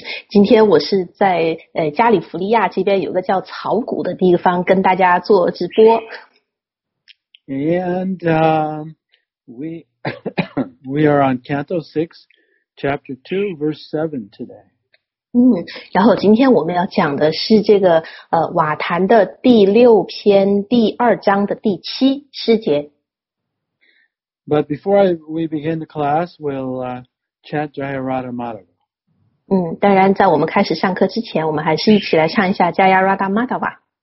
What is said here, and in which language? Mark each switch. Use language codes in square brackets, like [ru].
[zh] 今天我是在加利福尼亚这边有个叫草谷的地方跟大家做直播。 [en] And we are on Canto 6, Chapter 2, Verse 7 today. [zh] 然后今天我们要讲的是这个瓦坛的第六篇第二章的第七诗节。 [en] But before we begin the class, we'll chant Jaya Radha Madhava. [zh] 当然在我们开始上课之前，我们还是一起来唱一下 Jaya Radha Madhava。